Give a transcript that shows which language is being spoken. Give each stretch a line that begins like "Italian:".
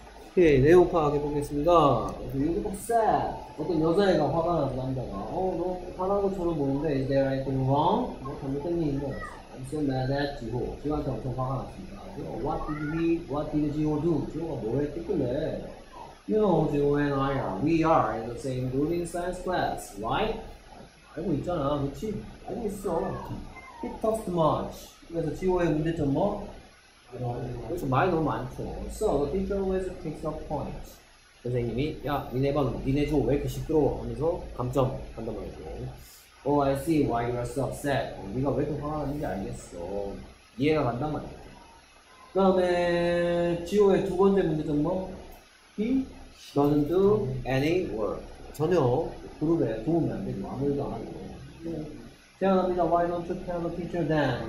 Korean: 오케이, 내용 파악해 보겠습니다. You look upset. 어떤 여자애가 화가 나서 남자가 어, 너 화난 것처럼 보는데 Is there anything wrong? 뭐 잘못된 게 있는 거 I'm so mad at Jiho. 지호한테 엄청 화가 났습니다.
English: What did Jiho do? 지호가 뭘 했길래 You know, Jiho and I are We are in the same building science class.
Korean: Why? 알고 있잖아, 그치? 알고 있어.
English: He talks too much.
Korean: 그래서 지호의 문제점 뭐? 그래서 말이 너무 많죠.
English: So the teacher always takes up points.
Korean: 선생님이 야 니네 반 니네 조 왜 이렇게 시끄러워 하면서 감점 한단 말이죠.
English: Oh I see why you are so upset.
Korean: 니가 왜 이렇게 화가 나는지 알겠어. 이해가 간단 말이죠. 그 다음에 지호의 두 번째 문제점 뭐?
English: He doesn't do any work.
Korean: 전혀 그룹에 도움이 안 되죠. 아무 일도 안 하고. 제안합니다.
English: Why don't you tell the teacher then?